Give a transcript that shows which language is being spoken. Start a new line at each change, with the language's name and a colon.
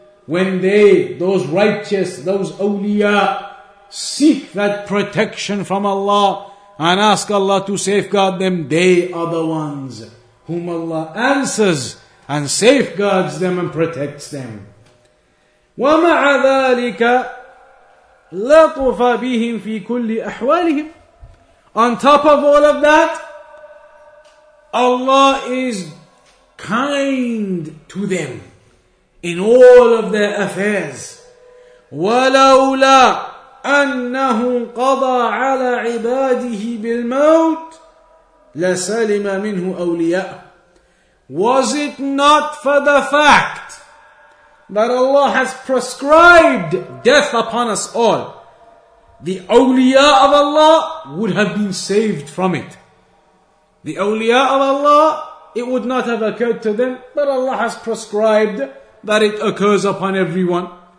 English: When they, those righteous, those awliya, seek that protection from Allah and ask Allah to safeguard them, they are the ones whom Allah answers and safeguards them and protects them.
Arabic: ومع ذلك لطف بهم في كل أحوالهم.
English: On top of all of that, Allah is kind to them in all of their affairs.
Arabic: ولولا أنه قضى على عباده بالموت لسلم منه أولياء.
English: Was it not for the fact that Allah has prescribed death upon us all, the awliya of Allah would have been saved from it. The awliya of Allah, it would not have occurred to them, but Allah has prescribed that it occurs upon everyone.